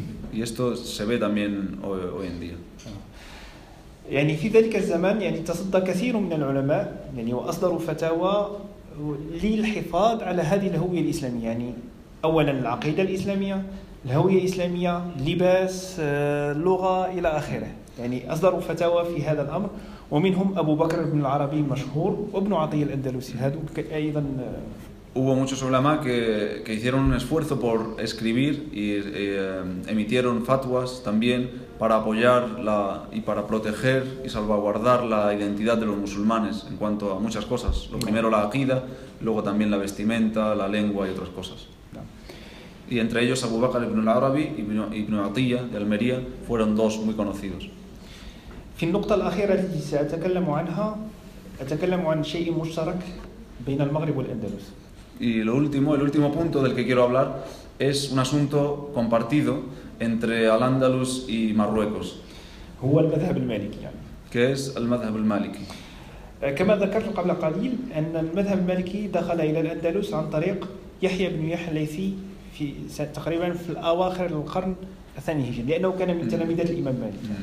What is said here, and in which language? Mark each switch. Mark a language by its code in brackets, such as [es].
[es] Y esto se ve también hoy en día. [ar] يعني في ذلك الزمان يعني تصدى كثير من العلماء يعني وأصدروا فتاوى للحفاظ على هذه الهوية الإسلامية يعني أولا العقيدة الإسلامية الهوية الإسلامية لباس لغة إلى آخره يعني أصدروا فتاوى في هذا الأمر ومنهم أبو بكر بن العربي مشهور وابن عطية الأندلسي هذا أيضا. [es] Hubo muchos ulama que hicieron un esfuerzo por escribir y emitieron fatwas también para apoyar y para proteger y salvaguardar la identidad de los musulmanes en cuanto a muchas cosas. Lo primero la aqida, luego también la vestimenta, la lengua y otras cosas. Y entre ellos Abu Bakr ibn al-Arabi y Ibn Atiyah de Almería fueron dos muy conocidos. [ar] في النقطة الأخيرة التي سأتكلم عنها أتكلم عن شيء مشترك بين المغرب والأندلس. [es] Y lo último, el último punto del que quiero hablar es un asunto compartido entre Al-Ándalus y Marruecos. [ar] هو المذهب المالكي يعني. [es] ¿Qué es el مذهب المالكي? [ar] كما ذكرت قبل قليل أن المذهب المالكي دخل إلى الأندلس عن طريق يحيى بن يحيى الليثي في تقريبا في الأواخر القرن الثاني الهجري لأنه كان من تلاميذ الإمام مالك.